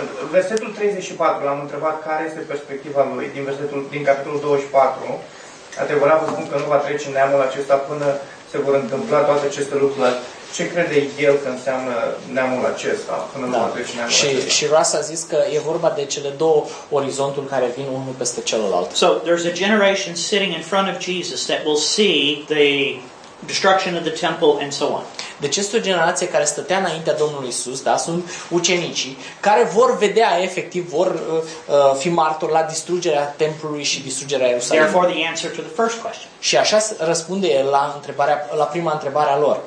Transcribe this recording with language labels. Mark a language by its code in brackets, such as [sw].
[ro] Versetul 34, l-am întrebat care este perspectiva lui din versetul din capitolul 24. Adevărat vă spun că nu va trece neamul acesta până se vor întâmpla toate aceste lucruri. Ce crede el că înseamnă neamul acesta până nu va trece neamul acesta? Și Ras a zis că e vorba de cele două orizonturi care vin unul peste celălalt. [en] So there's a generation sitting in front of Jesus that will see the destruction of the temple and so on. [ro] Deci este o generație care stătea înaintea Domnului Iisus, da, sunt ucenicii, care vor vedea efectiv, vor fi martori la distrugerea templului și distrugerea Ierusalimului. [en] Therefore the answer to the first question. [ro] Și așa răspunde el la întrebarea, la prima întrebare a lor.